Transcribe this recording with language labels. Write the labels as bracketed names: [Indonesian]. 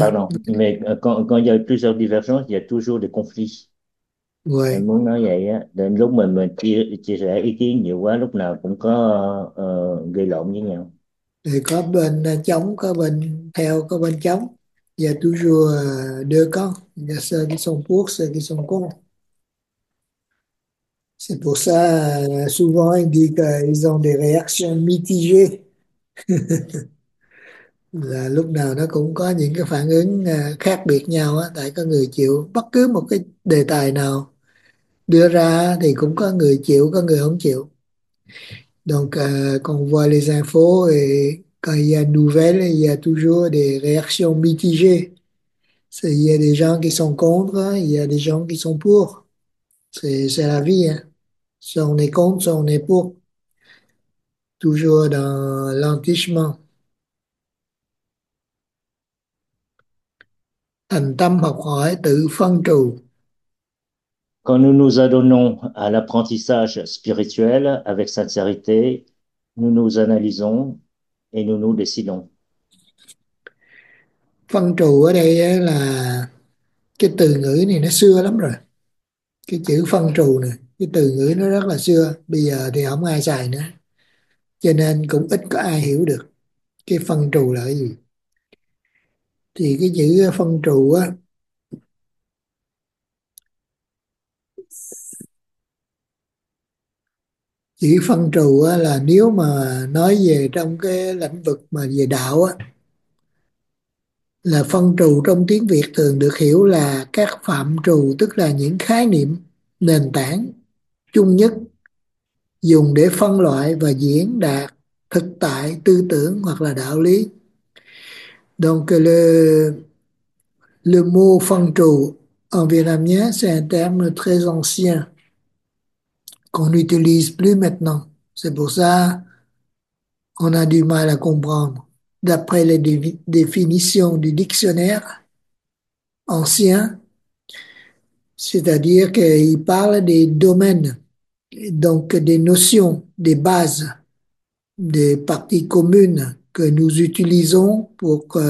[French] Pardon, mais quand il y a plusieurs divergences, il y a toujours des conflits. Et Ouais. [Vietnamese] muốn nói vậy á, đến lúc mà mình chia sẻ ý kiến nhiều quá, lúc nào cũng có gây lộn với nhau. Thì có bên chống, có bên theo, có bên chống. [French] Và toujours deux camps. Và ceux qui sont pour, ceux qui sont contre. C'est pour ça, souvent, ils disent qu'ils ont des réactions mitigées. [Vietnamese] Là lúc nào nó cũng có những cái phản ứng khác biệt nhau á, tại có người chịu bất cứ một cái đề tài nào đưa ra thì cũng có người chịu, có người không chịu. [French] Donc, quand on voit les infos et quand il y a nouvelles, il y a toujours des réactions mitigées. Il y a des gens qui sont contre, il y a des gens qui sont pour. C'est la vie, hein. Soit on est contre, soit on est pour. Toujours dans l'entichement. [Vietnamese] Thành tâm học hỏi, tự phân trù. [French] Quand nous nous adonnons à l'apprentissage spirituel avec sincérité, Nous nous analysons et nous nous décidons. [Vietnamese] Phân trù ở đây là cái từ ngữ này nó xưa lắm rồi, cái chữ phân trù này, cái từ ngữ nó rất là xưa, bây giờ thì không ai xài nữa, cho nên cũng ít có ai hiểu được cái phân trù là cái gì. Thì cái chữ phân trù á, chữ phân trù á là nếu mà nói về trong cái lĩnh vực mà về đạo á, là phân trù trong tiếng Việt thường được hiểu là các phạm trù, tức là những khái niệm nền tảng chung nhất dùng để phân loại và diễn đạt thực tại tư tưởng hoặc là đạo lý. [French] Donc le mot phân trù en Việt Nam nhé, c'est un terme très ancien qu'on n'utilise plus maintenant. C'est pour ça qu'on a du mal à comprendre. D'après les définitions du dictionnaire ancien, c'est-à-dire qu'il parle des domaines, donc des notions, des bases, des parties communes que nous utilisons pour